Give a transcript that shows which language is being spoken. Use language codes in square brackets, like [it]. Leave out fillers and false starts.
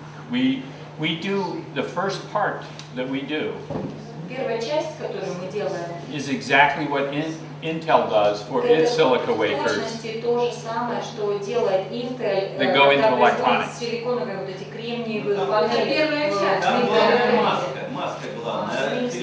[en] We do the first part that we do. [ru] Первая часть, которую мы делаем. [en] Is exactly what Intel does for its silica wafers. [ru] То же самое, что делает Intel. [en] They go into electronics. [ru] Силиконовые вот эти кремниевые панели. Первая часть. Там главная маска главная.